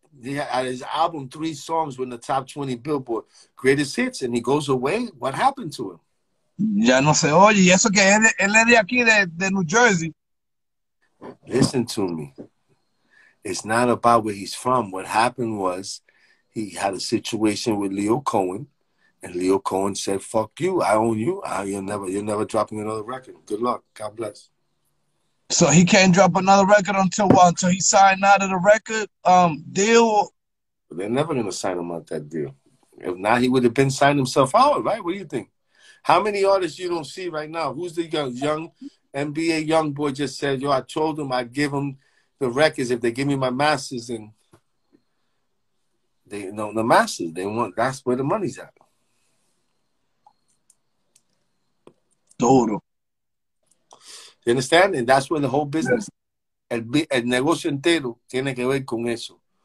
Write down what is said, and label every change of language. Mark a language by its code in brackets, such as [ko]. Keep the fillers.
[en] He had his album, three songs, with the top 20 Billboard Greatest Hits, and he goes away. What happened to him? [es] ya no se oye. Y eso que él, él es de aquí, de, New Jersey. [en] Listen to me. It's not about where he's from. What happened was he had a situation with Leo Cohen. And Leo Cohen said, "Fuck you! I own you. I, you're never, you will never drop another record. Good luck. God bless." So he can't drop another record until what? Well, until he signed out of the record um, deal. But they're never gonna sign him out that deal. If not, he would have been signed himself out, right? What do you think? How many artists you don't see right now? Who's the young, young NBA young boy just said, yo, I told him i give him the records if they give me my masters and they you know the masters. They want that's where the money's at. [es] Todo. [en] You understand? And that's where the whole business yeah. [es] el, el, negocio entero tiene que ver con eso.